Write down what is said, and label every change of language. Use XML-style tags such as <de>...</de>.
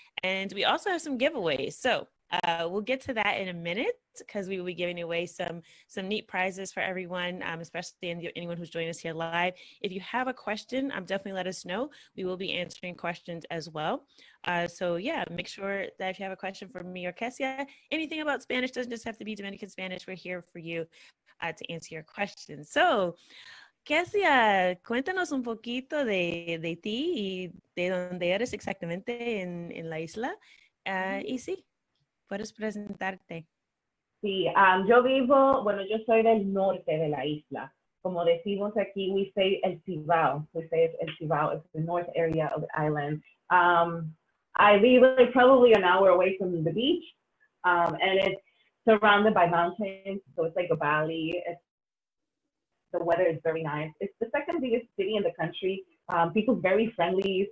<en>And we also have some giveaways. So we'll get to that in a minute because we will be giving away some neat prizes for everyone, especially anyone who's joining us here live. If you have a question, definitely let us know. We will be answering questions as well. Make sure that if you have a question for me or Kesia, anything about Spanish doesn't just have to be Dominican Spanish. We're here for you to answer your questions.</en> <es>So Kesia, cuéntanos un poquito de ti y de dónde eres exactamente en la isla. Y sí, puedes presentarte. Sí, yo vivo, bueno, yo soy del norte de la isla. Como decimos aquí,</es> <en>we say</en> <es>el Cibao.</es> <en>We say it's el Cibao, it's the north area of the island. I live like probably an hour away from the beach, and it's surrounded by mountains, so it's like a valley. The weather is very nice. It's the second biggest city in the country. People very friendly.</en>